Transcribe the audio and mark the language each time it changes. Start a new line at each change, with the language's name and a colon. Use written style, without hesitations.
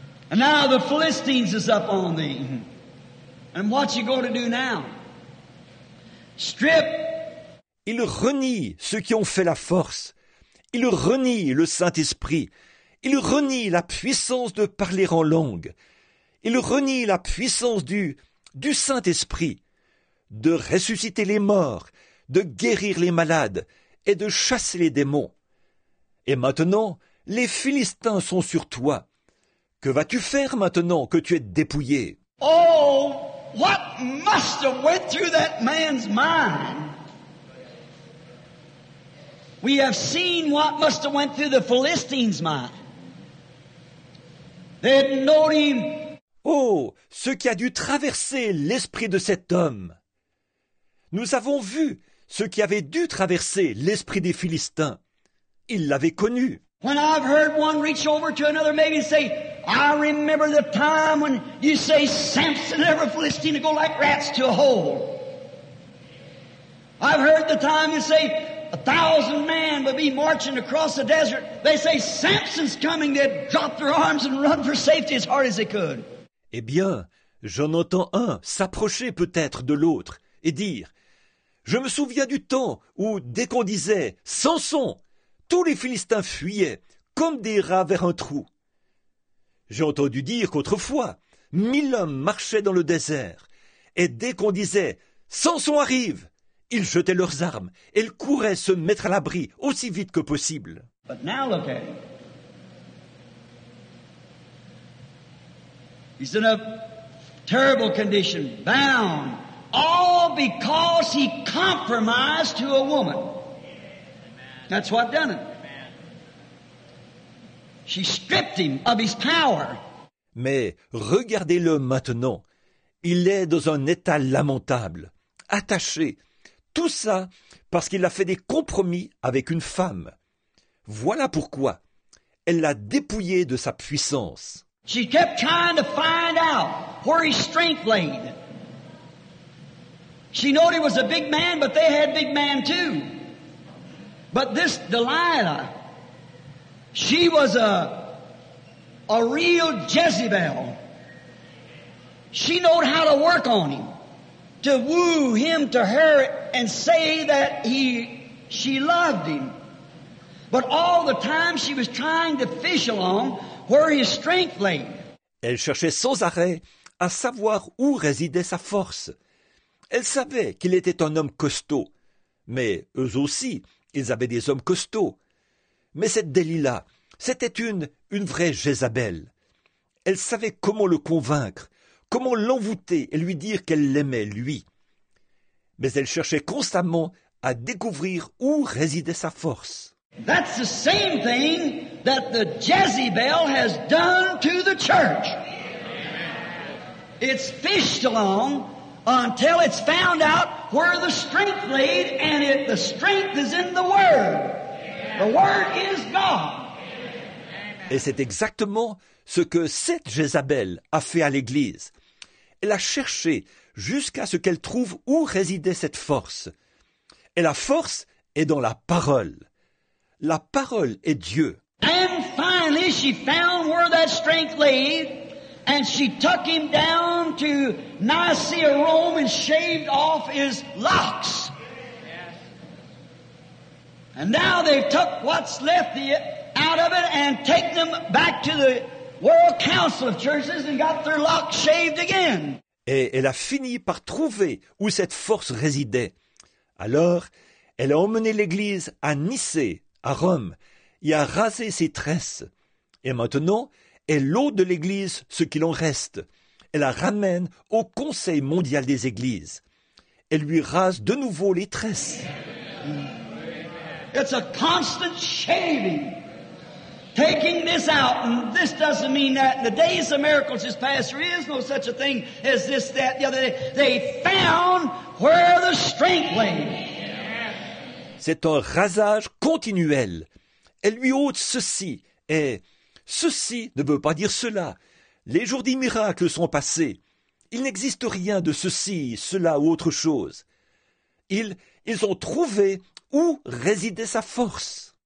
English: And now the Philistines is up on thee. And what you going to do now? Strip.
French: Il renie ceux qui ont fait la force. Il renie le Saint-Esprit. Il renie la puissance de parler en langue. Il renie la puissance du Saint-Esprit, de ressusciter les morts, de guérir les malades et de chasser les démons. Et maintenant, les Philistins sont sur toi. Que vas-tu faire maintenant que tu es dépouillé?
English: Oh, what must have went through that man's mind? We have seen what must have went through the Philistines' mind. They had known him.
French: Oh, ce qui a dû traverser l'esprit de cet homme. Nous avons vu ce qui avait dû traverser l'esprit des Philistins. Ils l'avaient connu.
English: When I've heard one reach over to another, maybe say, I remember the time when you say Samson and every Philistine go like rats to a hole. I've heard the time you say a thousand men would be marching across the desert. They say Samson's coming. They'd drop their arms and run for safety as hard as they could.
French: Eh bien, j'en entends un s'approcher peut-être de l'autre et dire, je me souviens du temps où, dès qu'on disait « Samson », tous les Philistins fuyaient comme des rats vers un trou. J'ai entendu dire qu'autrefois, 1000 hommes marchaient dans le désert, et dès qu'on disait « Samson arrive », ils jetaient leurs armes et ils couraient se mettre à l'abri aussi vite que possible.
English: But now look at him. He's in a terrible condition, bound, all because he compromised to a woman. That's what done it. She stripped him of his power.
French: Mais regardez-le maintenant. Il est dans un état lamentable, attaché. Tout ça parce qu'il a fait des compromis avec une femme. Voilà pourquoi elle l'a dépouillé de sa puissance.
English: She kept trying to find out where his strength laid. She knew he was a big man, but they had big man too. But this Delilah, she was a real Jezebel. She knew how to work on him, to woo him to her and say that she loved him. But all the time she was trying to fish along where his strength lay.
French: Elle cherchait sans arrêt à savoir où résidait sa force. Elle savait qu'il était un homme costaud, mais eux aussi, ils avaient des hommes costauds. Mais cette Delila, c'était une vraie Jézabel. Elle savait comment le convaincre, comment l'envoûter et lui dire qu'elle l'aimait, lui. Mais elle cherchait constamment à découvrir où résidait sa force.
English: That's the same thing that the Jezebel has done to the church. It's fished along until it's found out where the strength laid, and the strength is in the Word. The Word is God.
French: Et c'est exactement ce que cette Jézabel a fait à l'Église. Elle a cherché jusqu'à ce qu'elle trouve où résidait cette force. Et la force est dans la parole. La parole est Dieu.
English: And finally she found where that strength lay, and she took him down to Nicaea, Rome, and shaved off his locks. And now they took what's left out of it and take them back to the World Council of Churches and got their locks shaved again.
French: Et elle a fini par trouver où cette force résidait. Alors, elle a emmené l'Église à Nicée, à Rome, et a rasé ses tresses. Et maintenant, elle ôte de l'Église ce qu'il en reste. Elle la ramène au Conseil mondial des Églises. Elle lui rase de nouveau les tresses.
English: It's a constant shaving. Taking this out, and this doesn't mean that. In the days of miracles is past, there is no such a thing as this, that, the other day. They found where the strength lay.
French: C'est un rasage continuel. Elle lui ôte ceci, et ceci ne veut pas dire cela. Les jours des miracles sont passés. Il n'existe rien de ceci, cela ou autre chose. Ils ont trouvé où résidait sa force.